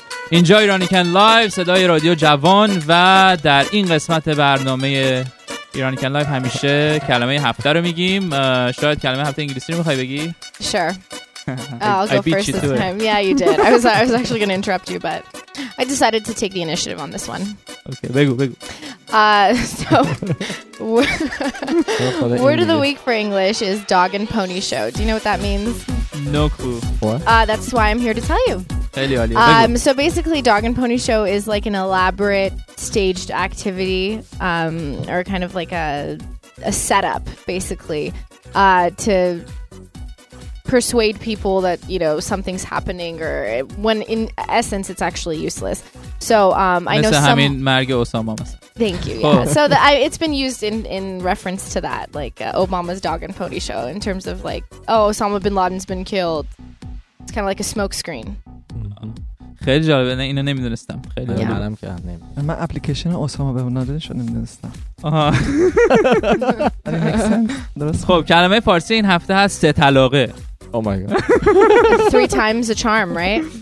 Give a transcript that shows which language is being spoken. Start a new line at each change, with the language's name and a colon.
Persian: اینجا ایرانیکن لایو، صدای رادیو جوان، و در این قسمت برنامه ایرانیکن لایو همیشه کلمه هفته رو میگیم. شاید کلمه هفته انگلیسی رو میخوای بگی؟
English: Sure. I'll go first this time. Yeah, you did. I was actually going to interrupt you, but I decided to take the initiative on this one. Okay, begu. So, word of the week for English is dog and pony show. Do you know what that means? No clue. What? That's why I'm here to tell you. So basically, dog and pony show is like an elaborate staged activity, or kind of like a setup, basically, to persuade people that, you know, something's happening, or when in essence it's actually useless. So I know some
Persian: مرگ اسامه مثلا.
English: Thank you. Yeah. So it's been used in reference to that, like Obama's dog and pony show, in terms of like, oh, Osama bin Laden's been killed. It's kind of like a smoke screen.
Persian: خیلی جالبه، نه اینو نمیدونستم. خیلی جالبه. منم که نمیدونم. من اپلیکیشن اسامه بن لادن شو نمیدونستم. آها. خب کلمه فارسی این هفته هست سه طلاقه.
English: Oh my god. Three times a charm, right?